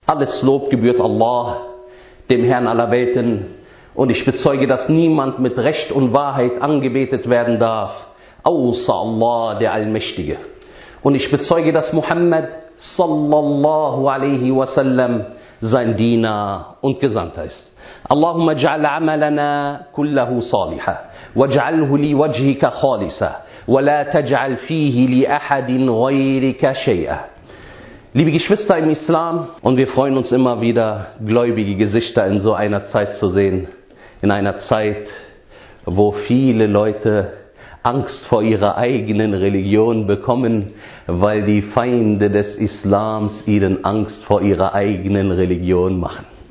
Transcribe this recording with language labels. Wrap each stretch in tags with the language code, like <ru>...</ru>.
<de>Alles Lob gebührt Allah, dem Herrn aller Welten, und ich bezeuge, dass niemand mit Recht und Wahrheit angebetet werden darf, außer Allah, der Allmächtige. Und ich bezeuge, dass Muhammad sallallahu alaihi wasallam sein Diener und Gesandter ist.</de> <ar>اللهم اجعل عملنا كله صالحا واجعله لوجهك خالصا ولا تجعل فيه لأحد غيرك شيئا.</ar> <de>Liebe Geschwister im Islam, und wir freuen uns immer wieder, gläubige Gesichter in so einer Zeit zu sehen, in einer Zeit, wo viele Leute Angst vor ihrer eigenen Religion bekommen, weil die Feinde des Islams ihnen Angst vor ihrer eigenen Religion machen.</de>